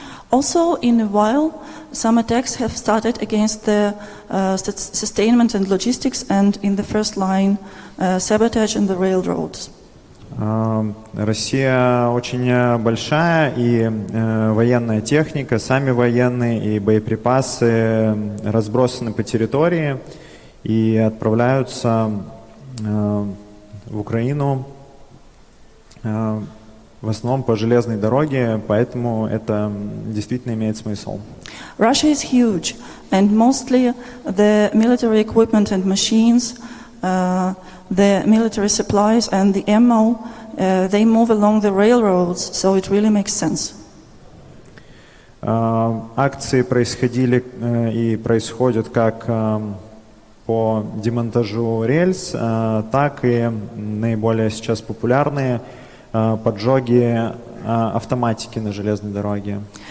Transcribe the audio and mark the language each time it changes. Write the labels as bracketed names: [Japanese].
[English] Also, in a while, some attacks have started against the sustainment and logistics, and in the first line, sabotage in the railroads. [Russian] Россия очень большая, и военная техника, сами военные и боеприпасы разбросаны по территории и отправляются в Украину. В основном по железной дороге, поэтому это действительно имеет смысл. [English] Russia is huge, and mostly the military equipment and machines, the military supplies and the ammo, they move along the railroads, so it really makes sense. [Russian] Акции происходили и происходят как по демонтажу рельс, так и наиболее сейчас популярные поджоги автоматики на железной дороге.